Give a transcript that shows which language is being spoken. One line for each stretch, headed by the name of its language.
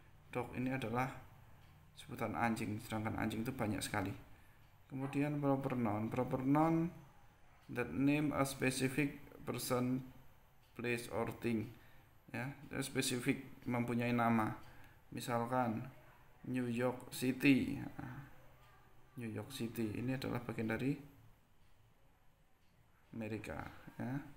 Indonesian: Dog ini adalah sebutan anjing, sedangkan anjing itu banyak sekali. Kemudian proper noun.
English: Proper noun that name a specific person, place, or thing.
Indonesian: Ya, spesifik mempunyai nama. Misalkan New York City. New York City ini adalah bagian dari Amerika, ya.